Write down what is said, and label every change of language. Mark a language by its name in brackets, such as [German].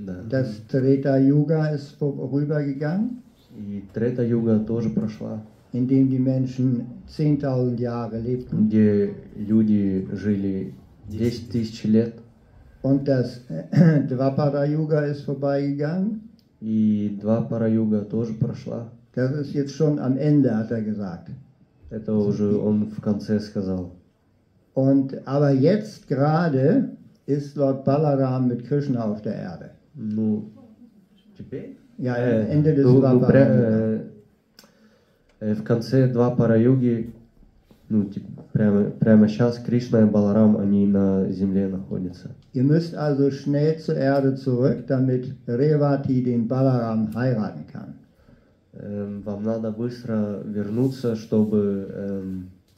[German] Das Treta Yuga ist vorübergegangen. [Russian] И Трета Юга тоже прошла. [German] In dem die Menschen 10.000 Jahre lebten. [Russian] Где люди жили 10.000 лет. [German] Und das Dvapara Yuga ist vorbeigegangen. [Russian] И Двапара Юга тоже прошла. [German] Das ist jetzt schon am Ende, hat er gesagt. [Russian] Это уже он в конце сказал. [German] Und aber jetzt gerade ist Lord Balaram mit Krishna auf der Erde. [Russian] Ну, теперь? [German] Ja, Ende des Двапара [Russian] Юги. В конце Двапара Юги, ну, прямо сейчас Кришна и Баларам, они на земле находятся. [German] Ihr müsst also schnell zur Erde zurück, damit Revati den Balaram heiraten kann. [Russian] Вам надо быстро вернуться, чтобы